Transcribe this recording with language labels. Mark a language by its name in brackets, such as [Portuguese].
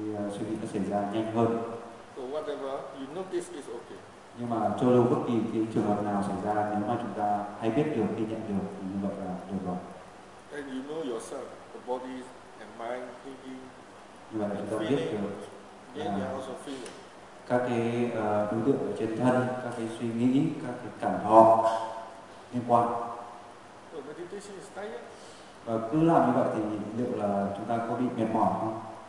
[Vietnamese] Suy nghĩ nó xảy ra nhanh hơn. [English] Whatever you notice is okay. [Vietnamese] Nhưng mà cho dù bất kỳ cái trường hợp nào xảy ra, nếu mà chúng ta hay biết được, ghi nhận được thì như vậy là được rồi. [English] And you know yourself, the body and mind, thinking, [Vietnamese] như vậy chúng ta biết được. [English] Yeah, you also feel it. [Vietnamese] Các cái đối tượng ở trên thân, các cái suy nghĩ, các cái cảm thọ liên quan. [English] So meditation is tired. [Vietnamese] Và cứ làm như vậy thì liệu là chúng ta có bị mệt mỏi không?